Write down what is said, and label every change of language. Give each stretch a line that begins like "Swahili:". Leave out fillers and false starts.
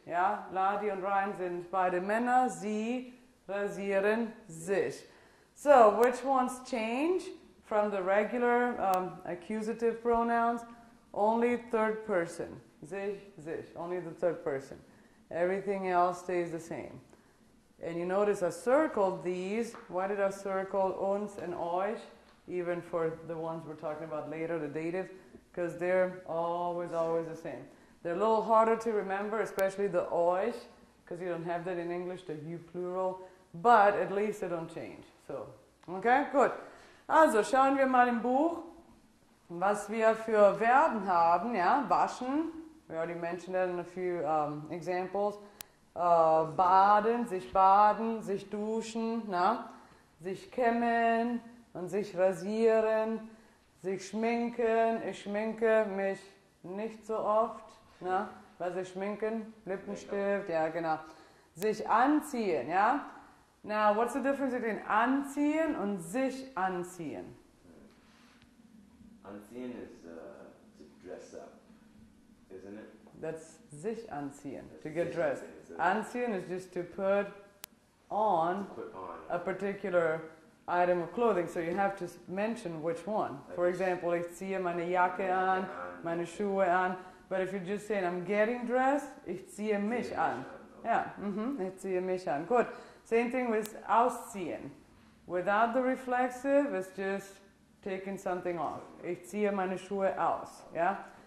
German: Ja, Ladi und Ryan sind beide Männer, sie rasieren sich.
English: So, which ones change from the regular accusative pronouns? Only third person. Sich, sich. Only the third person. Everything else stays the same. And you notice I circled these. Why did I circle uns and euch? Even for the ones we're talking about later, the dative. Because they're always, always the same. They're a little harder to remember, especially the euch, because you don't have that in English, the you plural. But at least they don't change. So, okay, good.
German: Also, schauen wir mal im Buch, was wir für Verben haben. Ja, waschen.
English: We already mentioned that in a few examples.
German: Baden, sich baden, sich duschen, na? Sich kämmen und sich rasieren. Sich schminken, ich schminke mich nicht so oft. Na? Was ist schminken? Lippenstift, ja genau. Sich anziehen, ja?
English: Now, what's the difference between anziehen und sich anziehen? Anziehen is to dress up, isn't it? That's sich anziehen, to get dressed. Anziehen is just to put on a particular item of clothing, so you have to mention which one. Like, for example,
German: ich ziehe meine Jacke an, meine Schuhe an.
English: But if you're just saying I'm getting dressed,
German: ich ziehe mich an.
English: Yeah, mm-hmm.
German: Ich ziehe mich an.
English: Good. Same thing with ausziehen. Without the reflexive, it's just taking something off.
German: Ich ziehe meine Schuhe aus.
English: Yeah.